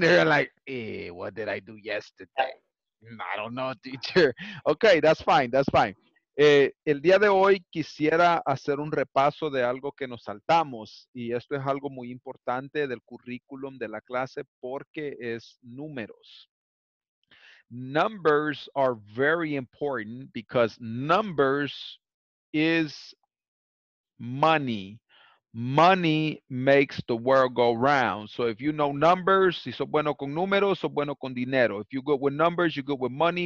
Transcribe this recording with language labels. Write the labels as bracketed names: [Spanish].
[English] They're like, eh, what did I do yesterday? I don't know, teacher. Okay, that's fine, that's fine. [Spanish] El día de hoy quisiera hacer un repaso de algo que nos saltamos, y esto es algo muy importante del currículum de la clase porque es números. [English] Numbers are very important because numbers is money. Money makes the world go round. So if you know numbers, [Spanish] si sos bueno con números, sos bueno con dinero. [English] If you go with numbers, you go with money.